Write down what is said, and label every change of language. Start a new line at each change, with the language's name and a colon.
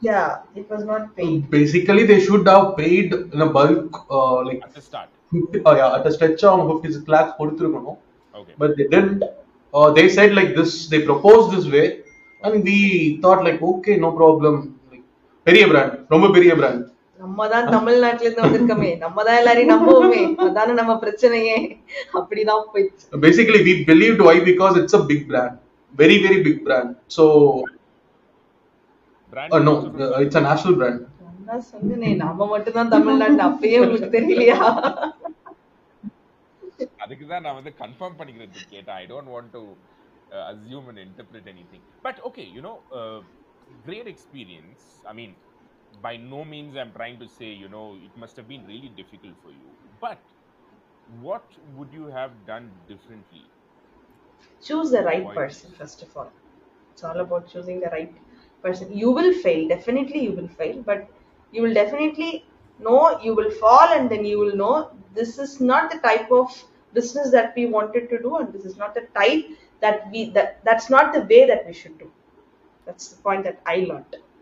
English: Yeah, it was not paid. Basically, they should have paid in a bulk, like at the start. At a stretch on 56 lakhs,
Tamil: kodutirukano.
English: Okay. But they didn't. They said like this. They proposed this way, and we thought like, okay, no problem.
Tamil: பெரிய brand ரொம்ப பெரிய brand நம்ம தான் தமிழ்நாட்டுல இருந்து வந்திருக்கமே நம்ம தான் எல்லாரையும் நம்புவோமே அதானே நம்ம பிரச்சனையே அப்படிதான் போயிடுச்சு
English: basically we believed why because it's a big brand very very big brand so brand no it's a national brand
Tamil: நான் சொன்னே நாம மட்டும் தான் தமிழ்நாடு அப்பவே உங்களுக்கு தெரியலையா அதுக்கு தான் நான் வந்து கன்ஃபார்ம் பண்ணிக்கிறதுக்கு கேட்டா
English: I don't want to assume and interpret anything but okay you know great experience I mean by no means I'm trying to say you know it must have been really difficult for you but what would you have done differently choose the right person first of all it's all about choosing the right person you will fail definitely you will fail but you will definitely know you will fall and then you will know this is not the type of business that we wanted to do and this is not the type that we that's not the way that we should do That's the point that I learned.